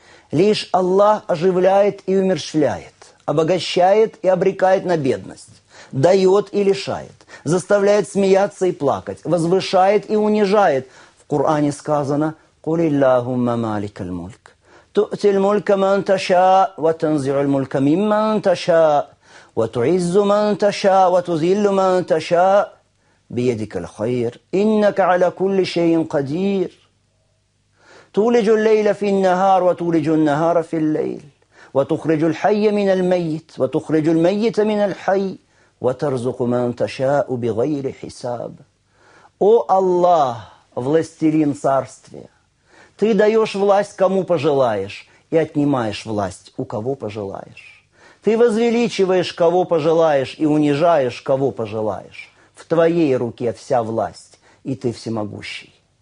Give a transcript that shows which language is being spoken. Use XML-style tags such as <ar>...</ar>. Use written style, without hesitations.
<ru>Лишь Аллах оживляет и умерщвляет, обогащает и обрекает на бедность, дает и лишает, заставляет смеяться и плакать, возвышает и унижает. В Коране сказано:</ru> <ar>«Кули Аллахумма малик аль-мульк, тути аль-мульк ман таша, ва танзиу аль-мульк мимман таша». وتعز من تشاء وتذل من تشاء بيدك الخير إنك على كل شيء قدير تولج الليل في النهار وتولج النهار في الليل وتخرج الحي من الميت وتخرج الميت من الحي وترزق من تشاء بغير حساب.</ar> <ru>О Аллах, властелин царствия, ты даешь власть кому пожелаешь и отнимаешь власть у кого пожелаешь. Ты возвеличиваешь, кого пожелаешь, и унижаешь, кого пожелаешь. В твоей руке вся власть, и ты всемогущий.</ru>